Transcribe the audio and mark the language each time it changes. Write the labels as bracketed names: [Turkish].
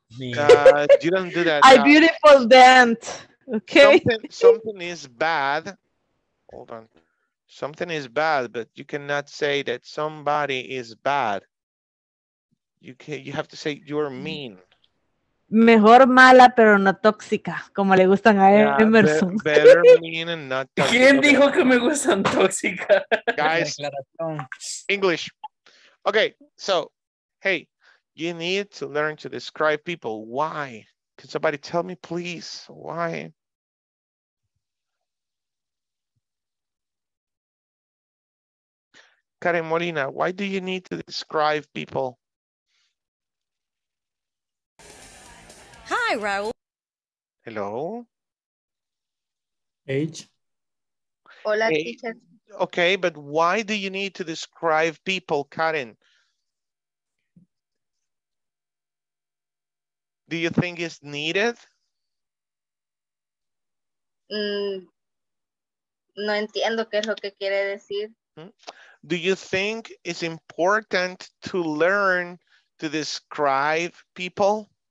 [English] You don't do that. I beautiful dent. Okay. Something is bad. Hold on. Something is bad, but you cannot say that somebody is bad. You can, you have to say you're mean. [Spanish] Mejor mala, pero no tóxica, como le gustan a Emerson. [English] Better mean and not toxic. [Spanish] ¿Quién dijo que me gustan tóxica? [English] Guys, English. Okay, so, hey, you need to learn to describe people. Why? Can somebody tell me, please, why? Karen Molina, why do you need to describe people? Hi, Raul. Hello. Age. [Spanish] Hola, teacher. [English] Okay, but why do you need to describe people, Karen? Do you think it's needed? [Spanish] No entiendo qué es lo que quiere decir. [English] Do you think it's important to learn to describe people?